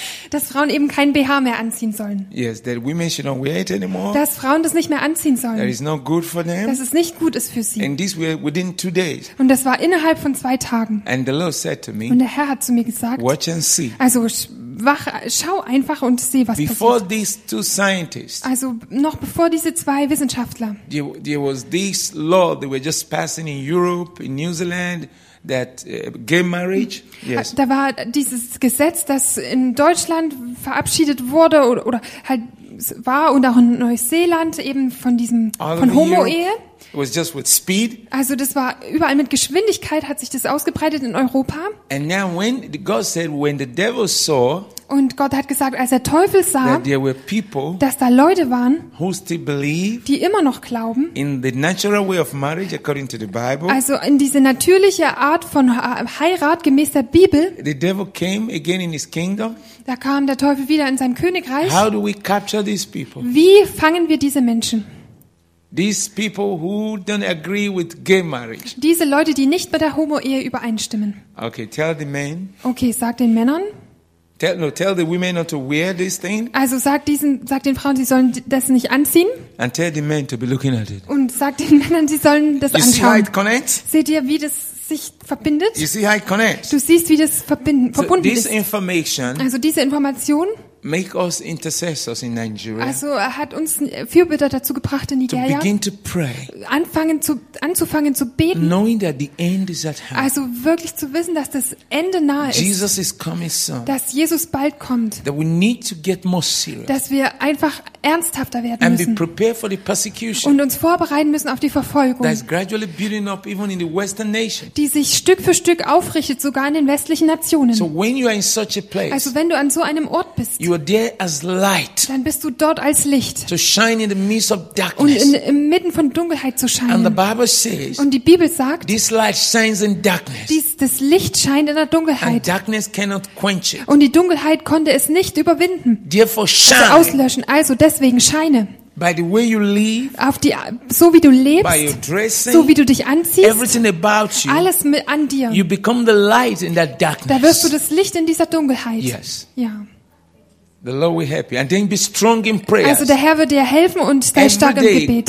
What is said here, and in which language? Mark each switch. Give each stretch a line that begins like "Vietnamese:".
German: Dass Frauen eben kein BH mehr anziehen sollen.
English: Yes, that women should not wear it anymore.
German: Dass Frauen das nicht mehr anziehen sollen.
English: That is not good for them.
German: Dass es nicht gut ist für sie.
English: And this were within 2 days.
German: Und das war innerhalb von 2 Tagen.
English: And the Lord said to me.
German: Und der Herr hat zu mir gesagt.
English: Watch and see.
German: Also schau einfach und sieh, was
English: before
German: passiert.
English: Before these 2 scientists.
German: Also noch bevor diese 2 Wissenschaftler.
English: There was this law that were just passing in Europe, in New Zealand. That gay marriage, yes.
German: Da war dieses Gesetz, das in Deutschland verabschiedet wurde oder halt war und auch in Neuseeland eben von diesem von Homo-Ehe.
English: It was just with speed.
German: Also das war überall mit Geschwindigkeit hat sich das ausgebreitet in Europa.
English: And now when God said when the devil saw.
German: Und Gott hat gesagt, als der Teufel sah,
English: people,
German: dass da Leute waren,
English: who still believe,
German: die immer noch glauben,
English: in the natural way of marriage according to the Bible,
German: also in diese natürliche Art von Heirat gemäß der Bibel,
English: the devil came again in his kingdom.
German: Da kam der Teufel wieder in sein Königreich.
English: How do we capture these people?
German: Wie fangen wir diese Menschen?
English: These people who don't agree with gay marriage.
German: Diese Leute, die nicht mit der Homo-Ehe übereinstimmen.
English: Okay, tell the men.
German: Okay, sag den Männern.
English: Tell the women not to wear this thing.
German: Also sag den Frauen, sie sollen das nicht anziehen.
English: And tell the men to be looking at it.
German: Und sag den Männern, sie sollen das
English: you
German: anschauen.
English: See how it connects?
German: Seht ihr, wie das sich verbindet?
English: You see how it connects?
German: Du siehst, wie das verbunden
English: this
German: Information also diese Information
English: make us intercessors in Nigeria.
German: Also er hat uns Fürbitter dazu gebracht in Nigeria.
English: To begin to pray.
German: Anzufangen zu beten.
English: Knowing that the end is at hand.
German: Also wirklich zu wissen, dass das Ende nahe ist.
English: Jesus is coming soon.
German: Dass Jesus bald kommt.
English: That we need to get more serious.
German: Dass wir einfach ernsthafter werden müssen.
English: And be prepared for the persecution.
German: Und uns vorbereiten müssen auf die Verfolgung.
English: That is gradually building up even in the Western nations.
German: Die sich Stück für Stück aufrichtet, sogar in den westlichen Nationen.
English: So when you are in such a place.
German: Also wenn du an so einem Ort bist.
English: You are there as light.
German: Dann bist du dort als Licht.
English: To shine in the midst of darkness.
German: Und inmitten von Dunkelheit zu scheinen.
English: And the Bible says.
German: Und die Bibel sagt.
English: This light shines in darkness.
German: Das Licht scheint in der Dunkelheit.
English: And darkness cannot quench it.
German: Und die Dunkelheit konnte es nicht überwinden.
English: Therefore shine.
German: Also auslöschen. Also deswegen scheine.
English: By the way you live,
German: auf die, so wie du lebst,
English: by your dressing,
German: so wie du dich anziehst,
English: everything about you,
German: alles an dir,
English: you become the light in that darkness.
German: Da wirst du das Licht in dieser Dunkelheit.
English: Yes.
German: Ja.
English: The Lord will help you, and then be strong in prayers.
German: Also der Herr wird dir helfen und sei stark im Gebet.